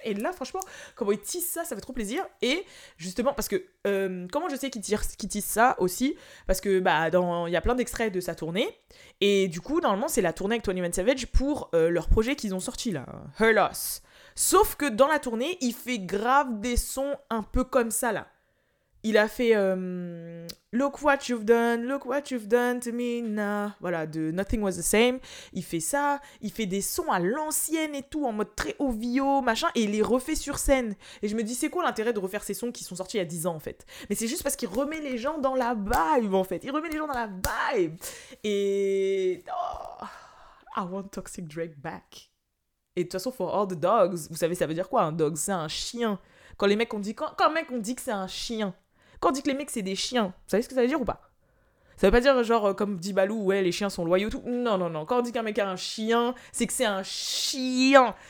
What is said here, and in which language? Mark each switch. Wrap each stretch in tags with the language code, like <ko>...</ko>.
<fr>Et là, franchement, comment il tisse ça, ça fait trop plaisir. Et justement, parce que comment je sais qu'il tisse ça aussi? Parce que y a plein d'extraits de sa tournée. Et du coup, normalement, c'est la tournée avec 21 Savage pour leur projet qu'ils ont sorti là, Her Loss. Sauf que dans la tournée, il fait grave des sons un peu comme ça là. Il a fait</fr> <en>look what you've done to me now.</en> <fr>Voilà, de Nothing Was the Same. Il fait ça, il fait des sons à l'ancienne et tout, en mode très OVO, machin, et il les refait sur scène. Et je me dis, c'est quoi l'intérêt de refaire ces sons qui sont sortis il y a 10 ans en fait? Mais c'est juste parce qu'il remet les gens dans la vibe en fait. Il remet les gens dans la vibe. Et.</fr> <en>Oh, I want Toxic Drake back.</en> <fr>Et de toute façon, for all the dogs, vous savez, ça veut dire quoi un dog? C'est un chien. Quand un mec on dit que c'est un chien. Quand on dit que les mecs, c'est des chiens, vous savez ce que ça veut dire ou pas? Ça veut pas dire, genre, comme dit Balou, ouais, les chiens sont loyaux, tout. Non, non, non. Quand on dit qu'un mec a un chien, c'est que c'est un chien.</fr>